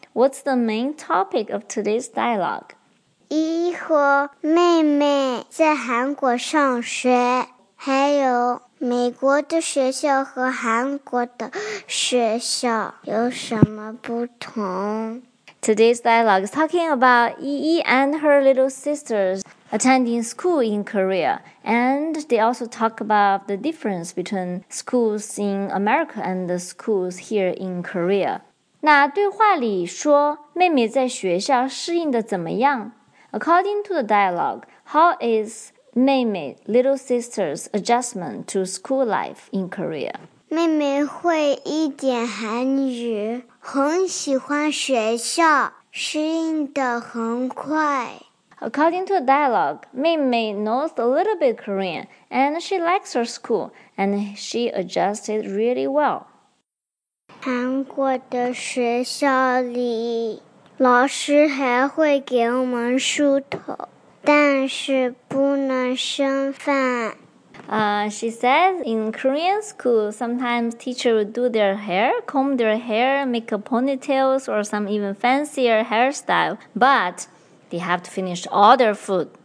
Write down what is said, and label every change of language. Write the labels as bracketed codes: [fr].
[en] What's the main topic of today's dialogue? [zh] 依依和妹妹在韩国上学，还有美国的学校和韩国的学校有什么不同？ [en] Today's dialogue is talking about Yi Yi and her little sisters attending school in Korea. And they also talk about the difference between schools in America and the schools here in Korea. [zh] 那对话里说妹妹在学校适应的怎么样? [en] According to the dialogue, how is 妹妹 little sister's adjustment to school life in Korea? [zh] 妹妹会一点韩语。很喜欢学校，适应得很快。 [en] According to the dialogue, 妹妹 knows a little bit Korean, and she likes her school, and she adjusted really well. [zh] 韩国的学校里，老师还会给我们梳头，但是不能剩饭。 [en] She says in Korean school, sometimes teachers do their hair, comb their hair, make a ponytails or some even fancier hairstyle, but they have to finish all their food.